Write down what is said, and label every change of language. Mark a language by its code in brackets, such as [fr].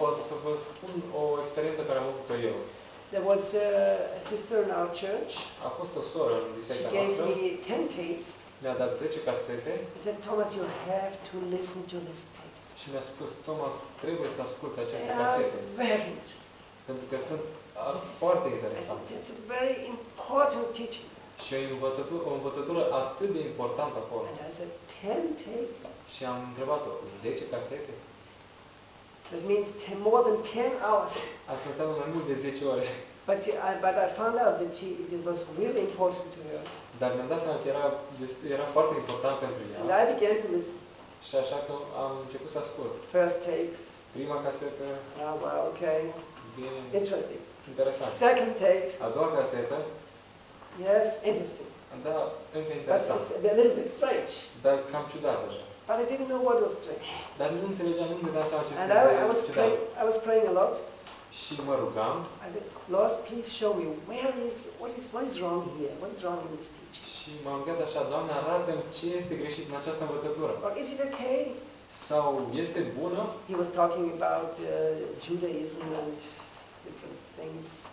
[ro] O să vă spun o experiență care am avut-o eu. [en] There was a sister in our church. [ro] A fost o soră în biserica noastră. [en] She gave me 10 tapes. [ro] Mi-a dat 10 casete. [en] She said, Thomas, you have to listen to these tapes. [ro] Și mi-a spus, Thomas, trebuie să asculți aceste casete. [en] Very interesting. [ro] Pentru că sunt foarte interesante. [en] It's a very important teaching. [ro] Și o învățătură atât de importantă acolo. [en] And I said, 10 tapes? [ro] Și am întrebat-o, 10 casete? [en] That means more than 10 hours. [ro] Asta înseamnă mai mult de 10 ore. [en] But I found out that she, it was really important to her. [ro] Dar mi-am dat seama că era foarte important pentru ea. [en] And I began to listen. [ro] Și așa că am început să ascult. [en] First tape. [ro] Prima casetă. [en] Ah, well, okay. [ro] Bine. [en] Interesting. [ro] Interesant. [en] Second tape. [ro] A doua casetă. [en] Yes, interesting. [ro] Da, încă interesant. [en] But it's a little bit strange. [ro] Dar cam ciudat deja. [en] But I didn't know what was strange. [ro] Dar nu înțelegeam nimic de asta ce se întâmplă. [en] I was praying a lot. [ro] Și mă rugam. [en] I said, Lord, please show me what is wrong here? What is wrong with this teaching? [ro] Și m-am rugat așa, Doamne, arată-mi ce este greșit în această învățătură. [en] Or is it okay? [ro] Sau este bună? [en] He was talking about Judaism and different things.